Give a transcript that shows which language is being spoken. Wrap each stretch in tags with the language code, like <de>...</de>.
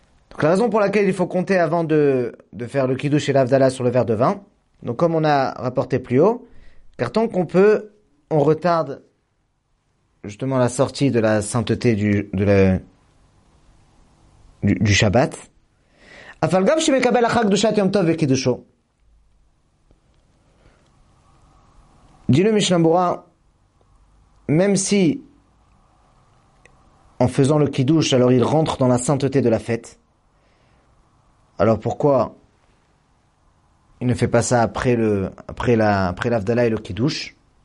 <fr>Donc la raison pour laquelle il faut compter avant de faire le kiddush et l'avdala sur le verre de vin, donc comme on a rapporté plus haut, car tant qu'on peut, on retarde justement la sortie de la sainteté du Shabbat.</fr> <he>אבל גם שמקבל אחר קדושת יום טוב וקידושו.</he> <fr>Dis-le Mishnah Bura, même si en faisant le kiddush, alors il rentre dans la sainteté de la fête, alors pourquoi il ne fait pas ça après l'Avdala et le kiddush?</fr>